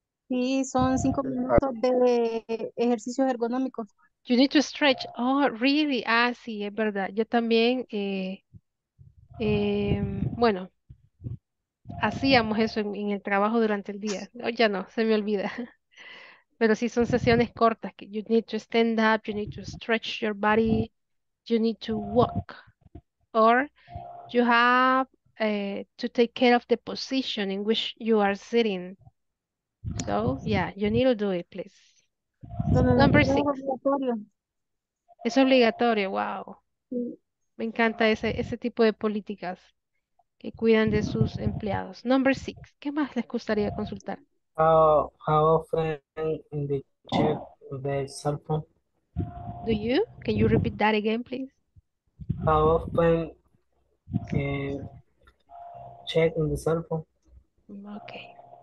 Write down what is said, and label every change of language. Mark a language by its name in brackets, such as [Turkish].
[Spanish] Sí, son 5 minutos de ejercicios ergonómicos. [English] You need to stretch. Oh, really? [Spanish] Ah, sí, es verdad. Yo también. Bueno, hacíamos eso en el trabajo durante el día. No, ya no, se me olvida. Pero sí son sesiones cortas. [English] Que you need to stand up, you need to stretch your body, you need to walk. Or you have to take care of the position in which you are sitting. So, yeah, you need to do it, please. Number six. [Spanish] Es obligatorio, [English] wow. [Spanish] Me encanta ese tipo de políticas que cuidan de sus empleados. [English] Number six. [Spanish] ¿Qué más les gustaría consultar? [English] How often do you check the cell phone? Do you? Can you repeat that again, please? How often check the cell phone? Okay.